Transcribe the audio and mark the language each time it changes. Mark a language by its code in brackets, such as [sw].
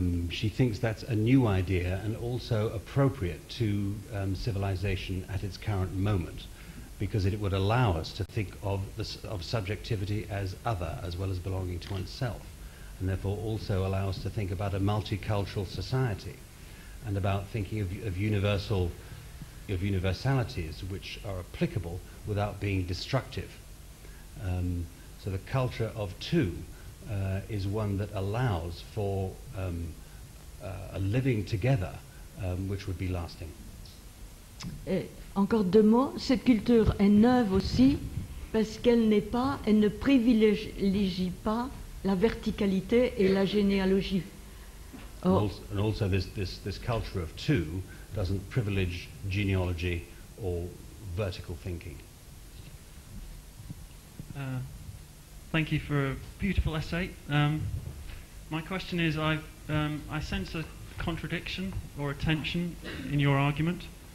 [en] She thinks that's a new idea and also appropriate to civilization at its current moment, because it would allow us to think of subjectivity as other, as well as belonging to oneself, and therefore also allow us to think about a multicultural society and about thinking of universalities which are applicable without being destructive. So the culture of two is one that allows for a living together which would be lasting. [fr] Et encore deux mots, cette culture est neuve aussi parce qu'elle n'est pas, elle ne privilégie pas la verticalité et la généalogie. [en] And also this culture of two doesn't privilege genealogy or vertical thinking. Thank you for a beautiful essay. My question is, I sense a contradiction or a tension in your argument.